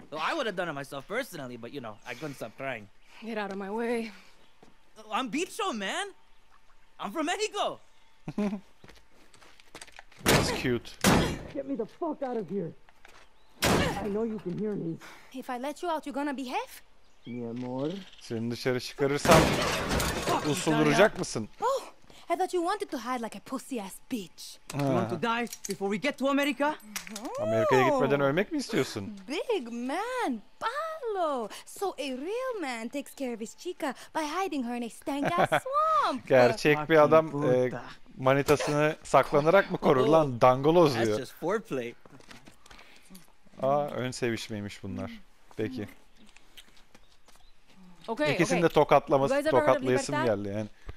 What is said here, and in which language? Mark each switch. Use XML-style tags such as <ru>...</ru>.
<en>Well, I would have done it myself personally, but you know, I couldn't stop crying. Get out of my way. I'm Bicho, man. I'm from Mexico. That's cute. Get me the fuck out of here. I know you can hear me. If I let you out, you're gonna behave?</en> <es>Mi amor.</es> <tr>Seni dışarı çıkarırsam usul duracak mısın?</tr> <en>Oh, I thought you wanted to hide like a pussy-ass bitch. You want to die before we get to America?</en> <tr>Amerika'ya gitmeden ölmek mi istiyorsun?</tr> <en>Big man, Pablo. So a real man takes care of his chica by hiding her in a stank ass swamp.</en> <tr>Gerçek bir adam manitasını saklanarak mı korur lan? Dangoloz diyor.</tr> <en>That's just foreplay.</en> <tr>Aa, ön sevişmeymiş bunlar. Peki.</tr> <en>Okay,</en> <tr>İkisini de tokatlaması, tokatlayasım geldi yani.</tr>